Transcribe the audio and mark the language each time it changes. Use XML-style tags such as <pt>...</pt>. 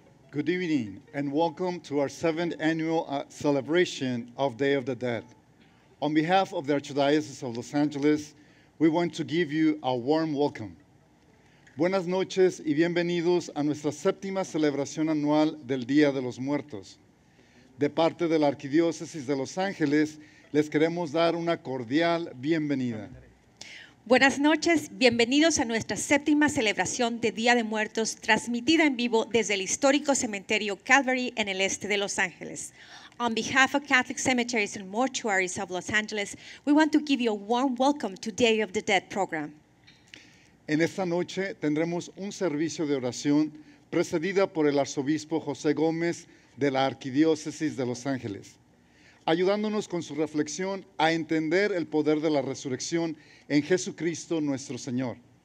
<en>Good evening and welcome to our seventh annual celebration of Day of the Dead. On behalf of the Archdiocese of Los Angeles, we want to give you a warm welcome.</en> <es>Buenas noches y bienvenidos a nuestra séptima celebración anual del Día de los Muertos. De parte de la Arquidiócesis de Los Ángeles, les queremos dar una cordial bienvenida. Buenas noches, bienvenidos a nuestra séptima celebración de Día de Muertos, transmitida en vivo desde el histórico cementerio Calvary en el este de Los Ángeles.</es> <en>On behalf of Catholic Cemeteries and Mortuaries of Los Angeles, we want to give you a warm welcome to Day of the Dead program.</en> <es>En esta noche tendremos un servicio de oración precedida por el arzobispo José Gómez de la Arquidiócesis de Los Ángeles, ayudándonos con su reflexión a entender el poder de la resurrección en Jesucristo nuestro Señor.</es>